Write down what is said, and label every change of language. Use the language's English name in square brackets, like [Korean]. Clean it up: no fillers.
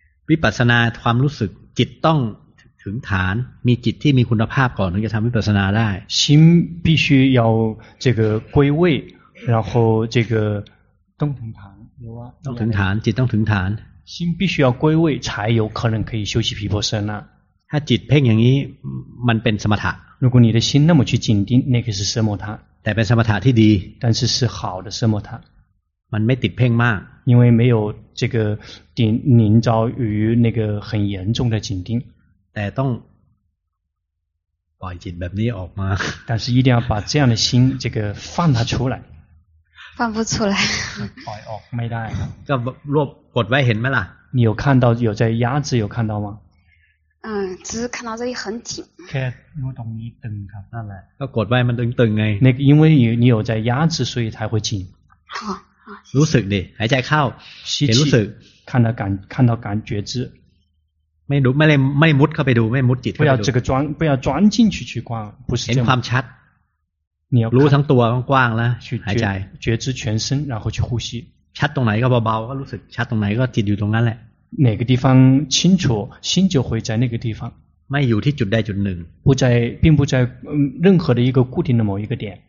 [Thai] วิปัสสนาความรู้สึกจิตต้องถึงฐานมีจิตที่มีคุณภาพก่อนถึงจะทำวิปัสสนาได้ [Chinese] 心必须要这个归位然后这个 [Thai] ต้องถึงฐาน ต้องถึงฐานจิตต้องถึงฐาน [Chinese] 心必须要归位才有可能可以修习毗婆舍那 [Thai] ถ้าจิตเพ่งอย่างนี้มันเป็นสมถะ [Chinese] 如果你的心那么去紧盯那个是奢摩他 [Thai] แต่เป็นสมถะที่ดี [Chinese] 但是是好的奢摩他 [Thai] มันไม่ติดเพ่งมาก [Chinese] 因为没有这个凝着于那个很严重的紧盯 [Thai] แต่ต้องปล่อยจิตแบบนี้ออกมา [Chinese] 但是一定要把这样的心这个放它出来放不出来 [Thai] ปล่อยออกไม่ได้ก็รวบกดไว้เห็นไหมล่ะ [Chinese] 你有看到有在压制有看到吗只是看到这里很紧 [Thai] แค่รู้ตรงนี้ตึงครับนั่นแหละ ก็กดไว้มันตึงๆไง [Chinese] 那个因为你有在压制所以才会紧 [Thai] รู้สึกดิหายใจเข้า เห็น รู้สึก [Chinese] 看到感觉知 [Thai] ไม่รู้ไม่มุดเข้าไปดูไม่มุดจิตเข้าไปดู [Chinese] 不要这个钻不要钻进去去逛不是 [Thai] เห็นความชัดรู้ทั้งตัวกว้างๆแล้วหายใจ [Chinese] 觉知全身然后去呼吸 [Thai] ชัดตรงไหนก็เบาๆก็รู้สึกชัดตรงไหนก็จิตอยู่ตรงนั้นแหละ [Chinese] 哪个地方清楚心就会在那个地方 [Thai] ไม่อยู่ที่จุดใดจุดหนึ่ง [Chinese] 不在并不在任何的一个固定的某一个点